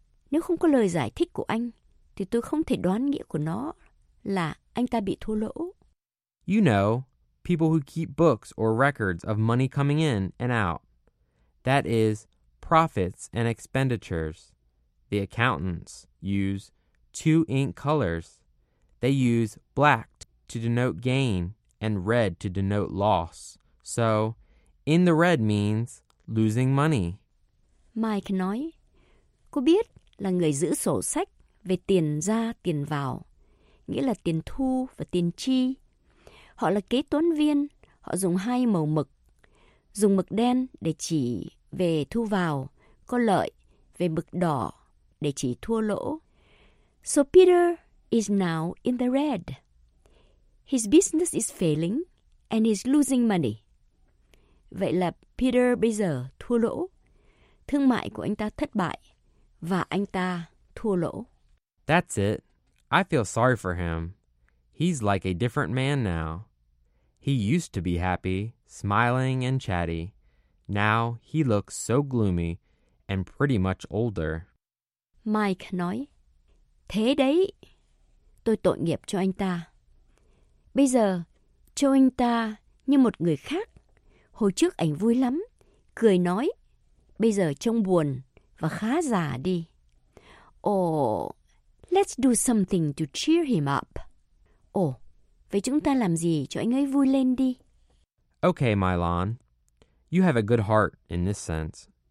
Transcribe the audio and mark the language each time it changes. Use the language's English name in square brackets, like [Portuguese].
[Vietnamese] Nếu không có lời giải thích của anh, thì tôi không thể đoán nghĩa của nó là anh ta bị thua lỗ. [English] You know, people who keep books or records of money coming in and out. That is, profits and expenditures. The accountants use 2 ink colors. They use black to denote gain and red to denote loss. So, in the red means losing money. [Vietnamese] Mike nói, cô biết là người giữ sổ sách về tiền ra tiền vào, nghĩa là tiền thu và tiền chi. Họ là kế toán viên, họ dùng 2 màu mực. Dùng mực đen để chỉ về thu vào, có lợi, về mực đỏ để chỉ thua lỗ. [English] So Peter is now in the red. His business is failing and he's losing money. [Vietnamese] Vậy là Peter bây giờ thua lỗ. Thương mại của anh ta thất bại và anh ta thua lỗ. [English] That's it. I feel sorry for him. He's like a different man now. He used to be happy, smiling and chatty. Now he looks so gloomy and pretty much older. [Vietnamese] Mike nói, thế đấy, tôi tội nghiệp cho anh ta. Bây giờ, cho anh ta như một người khác. Hồi trước anh vui lắm, cười nói, bây giờ trông buồn và khá già đi. [English] Oh, let's do something to cheer him up. [Vietnamese] Oh, vậy chúng ta làm gì cho anh ấy vui lên đi? [English] Okay, Mylon. You have a good heart in this sense.